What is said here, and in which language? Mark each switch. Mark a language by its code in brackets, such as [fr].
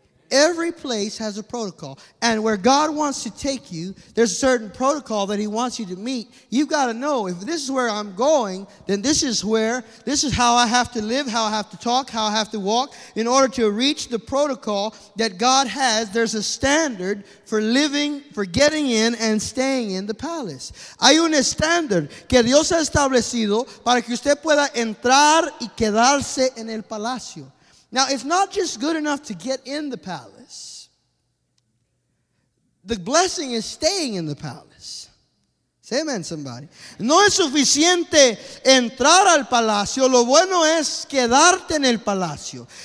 [en] Every place has a protocol. And where God wants to take you, there's a certain protocol that he wants you to meet. You've got to know, if this is where I'm going, then this is where, this is how I have to live, how I have to talk, how I have to walk. In order to reach the protocol that God has, there's a standard for living, for getting in and staying in the palace. [es] Hay un estándar que Dios ha establecido para que usted pueda entrar y quedarse en el palacio. [en] Now, it's not just good enough to get in the palace. The blessing is staying in the palace. Say amen, somebody. [es] No es suficiente entrar al palacio. Lo bueno es quedarte en el palacio.